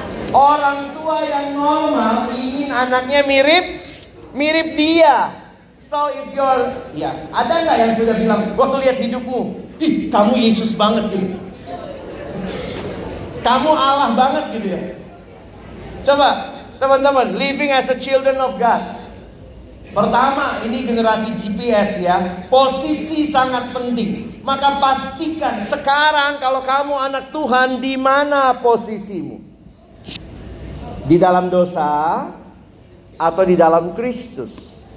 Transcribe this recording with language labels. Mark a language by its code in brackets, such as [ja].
[id] Orang tua yang normal ingin anaknya mirip dia. [en] So if you're, [id] ya, ada nggak yang sudah bilang, waktu lihat hidupmu, ih kamu Yesus banget gitu, kamu Allah banget gitu ya. Coba teman-teman, [en] living as a children of God. [id] Pertama, ini generasi GPS ya, posisi sangat penting. Maka pastikan sekarang kalau kamu anak Tuhan, di mana posisimu? Di dalam dosa atau di dalam Kristus?